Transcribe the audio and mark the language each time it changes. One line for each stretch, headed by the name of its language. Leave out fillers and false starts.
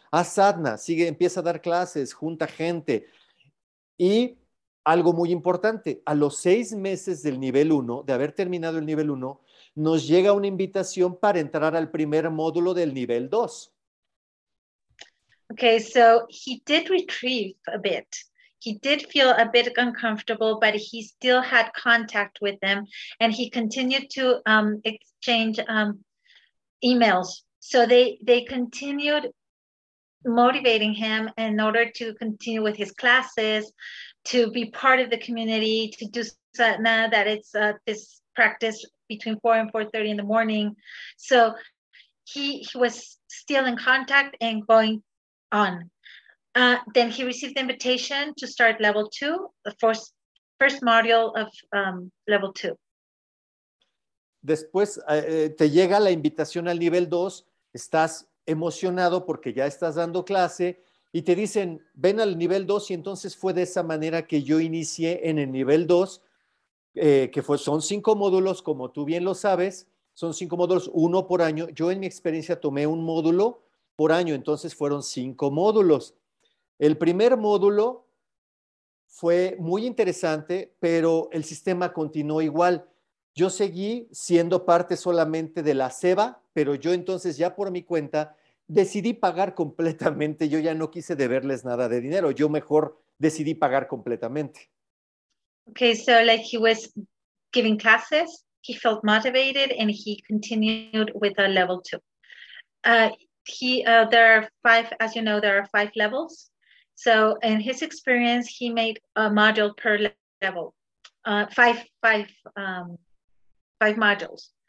Spanish: A sadhana, sigue, empieza a dar clases, junta gente. Y algo muy importante, a los 6 meses del nivel 1, de haber terminado el nivel 1, nos llega una invitación para entrar al primer módulo del nivel 2.
English: Okay, so he did retrieve a bit. He did feel a bit uncomfortable, but he still had contact with them and he continued to exchange emails. So they continued motivating him in order to continue with his classes, to be part of the community, to do sadhana, that it's this practice between 4 and 4:30 in the morning. So he was still in contact and going on. Then he received the invitation to start level 2, the first module of level 2.
Spanish: Después te llega la invitación al nivel 2, estás emocionado porque ya estás dando clase y te dicen, ven al nivel 2, y entonces fue de esa manera que yo inicié en el nivel 2, son 5 módulos, como tú bien lo sabes, son 5 módulos, 1 por año. Yo en mi experiencia tomé 1 módulo por año, entonces fueron 5 módulos. El primer módulo fue muy interesante, pero el sistema continuó igual. Yo seguí siendo parte solamente de la SEBA, pero yo entonces ya por mi cuenta decidí pagar completamente. Yo ya no quise deberles nada de dinero. Yo mejor decidí pagar completamente.
English: Okay, so like he was giving classes, he felt motivated and he continued with a level 2. There are 5, as you know, there are 5 levels. So in his experience, he made a module per level, five modules.